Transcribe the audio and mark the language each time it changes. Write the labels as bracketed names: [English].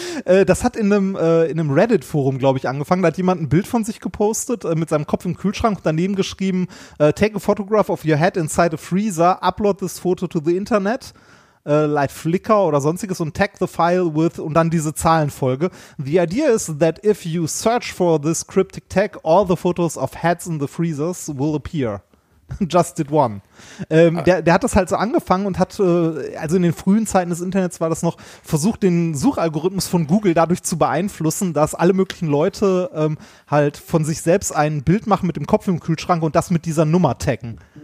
[German] Das hat in einem Reddit-Forum, glaube ich, angefangen. Da hat jemand ein Bild von sich gepostet, mit seinem Kopf im Kühlschrank und daneben geschrieben, [English] take a photograph of your head inside a freezer, upload this photo to the internet, like Flickr [German] oder sonstiges und [English] tag the file with [German] und dann diese Zahlenfolge. [English] The idea is that if you search for this cryptic tag, all the photos of heads in the freezers will appear. Just did one. [German] Der hat das halt so angefangen und hat, also in den frühen Zeiten des Internets war das noch, versucht den Suchalgorithmus von Google dadurch zu beeinflussen, dass alle möglichen Leute halt von sich selbst ein Bild machen mit dem Kopf im Kühlschrank und das mit dieser Nummer taggen.